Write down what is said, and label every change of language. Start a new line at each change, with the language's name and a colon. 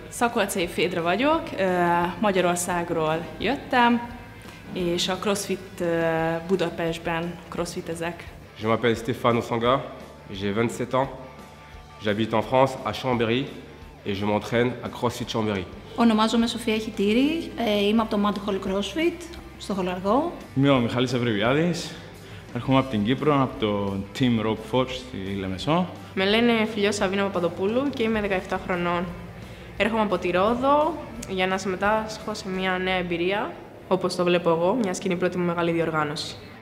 Hungarian: Szakolcai Fédra vagyok, Magyarországról jöttem, és a CrossFit Budapestben CrossFit ezek.
French: Je m'appelle Stéphane Osanga, j'ai 27 ans, j'habite en France, à Chambéry, et je m'entraîne à CrossFit Chambéry.
Greek: Ονομάζομαι Σοφία Χιτήρη, είμαι από το Mad Hall CrossFit, στο Χολαργό. Είμαι ο Μιχάλης Αυριβιάδης, έρχομαι από την Κύπρο, από το Team Rock Force στη Λεμεσό. Με λένε Φιλιό Σαβίνα Παπαδοπούλου και είμαι 17 χρονών. Έρχομαι από τη Ρόδο για να συμμετάσχω σε μια νέα εμπειρία, όπως το βλέπω εγώ, μια σκηνή πρώτη μου μεγάλη διοργάνωση.